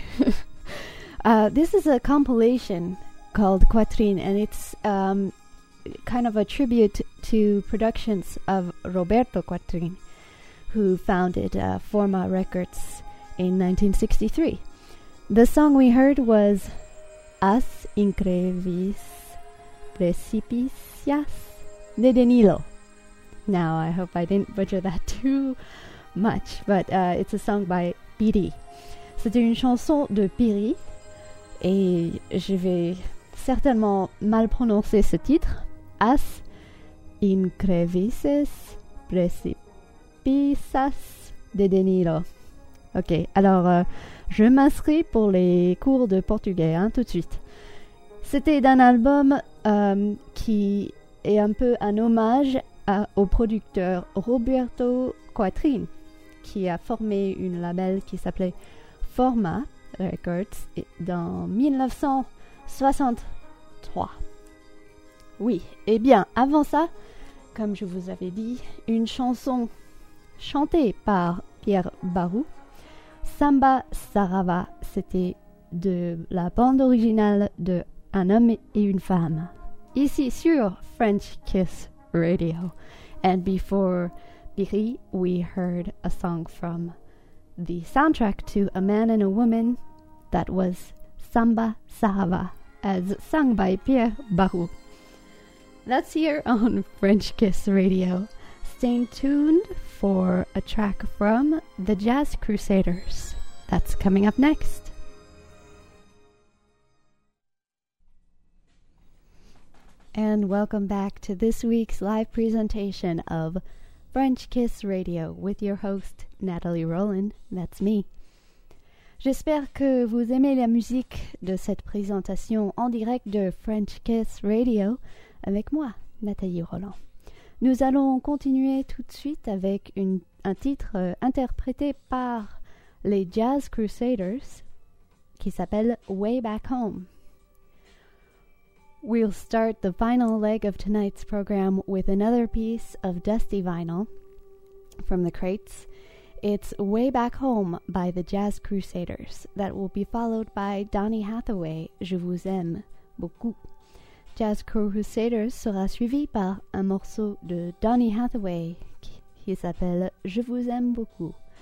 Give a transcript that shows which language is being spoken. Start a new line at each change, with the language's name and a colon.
English: this is a compilation called Quatrine, and it's kind of a tribute to productions of Roberto Quatrine, who founded Forma Records in 1963. The song we heard was As Increvis Precipicias de Denilo. Now, I hope I didn't butcher that too much, but it's a song by Piri.
French: C'était une chanson de Piri, et je vais certainement mal prononcer ce titre.
Portuguese: As Increvises Precipices de Denilo.
French: Ok, alors je m'inscris pour les cours de portugais, hein, tout de suite. C'était d'un album qui est un peu un hommage au producteur Roberto Quatrine, qui a formé une label qui s'appelait Forma Records dans 1963. Oui, et bien, avant ça, comme je vous avais dit, une chanson chantée par Pierre Barou, Samba Sarava, c'était de la bande originale de Un homme et une femme. Ici sur French Kiss Radio.
English: And before Piri, we heard a song from the soundtrack to A Man and a Woman that was Samba Sarava, as sung by Pierre Barou. That's here on French Kiss Radio. Stay tuned for a track from the Jazz Crusaders. That's coming up next. And welcome back to this week's live presentation of French Kiss Radio with your host, Natalie Roland. That's me.
French: J'espère que vous aimez la musique de cette présentation en direct de French Kiss Radio avec moi, Nathalie Roland. Nous allons continuer tout de suite avec un titre interprété par les Jazz Crusaders qui s'appelle Way Back Home.
English: We'll start the final leg of tonight's program with another piece of dusty vinyl from the crates. It's Way Back Home by the Jazz Crusaders. That will be followed by Donny Hathaway, Je Vous Aime Beaucoup.
French: Jazz Crusaders sera suivi par un morceau de Donny Hathaway qui s'appelle Je Vous Aime Beaucoup.